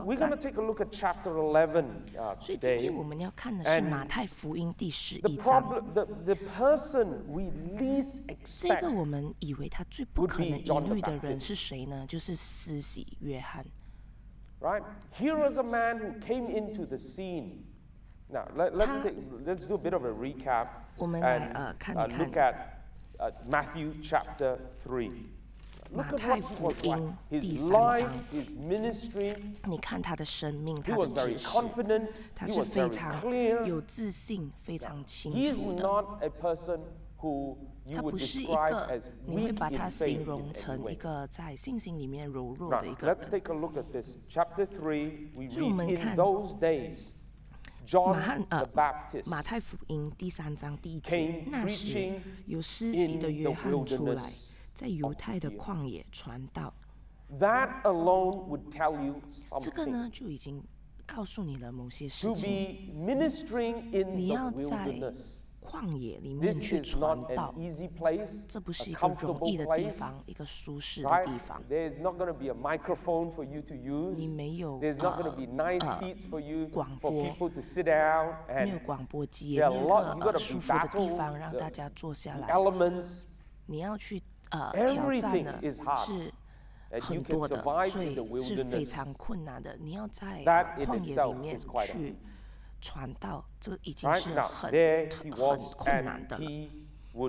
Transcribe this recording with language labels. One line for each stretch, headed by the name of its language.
English: So we're going to take a look at chapter 11.
Chinese: 所以今天我们要看的是马太福音第十一章。
English: The person we least expect.
Chinese: 这个我们以为他最不可能疑虑的人是谁呢？就是施洗约翰。
English: Right? Here is a man who came into the scene. Now, let's do a bit of a recap and look at Matthew chapter 3. Look at his life, his ministry. He was very confident, he was very clear. He is not a person who you would describe as weak in faith in any way. Now, let's take a look at this. Chapter 3, we read, in those days,John the Baptist
Chinese: 马太福音第三章第一节，那时有施洗的约翰出来，在犹太的旷野传道。
English: That alone would tell you something.
Chinese: 这个呢，就已经告诉你了某些事情。
English: To be ministering in the wilderness.
Chinese: 你要在旷野里面去传道。这不是一个容易的地方，一个舒适的地方。
English: There is not going to be a microphone for you to use.
Chinese: 你没有。
English: There's not going to be nice seats for you for people to sit down.
Chinese: 没有广播机，没有一个舒服的地方让大家坐下来。
English: Elements.
Chinese: 你要去挑战的是很多的，所以是非常困难的。你要在旷野里面去。传道，这已经是很困难的了。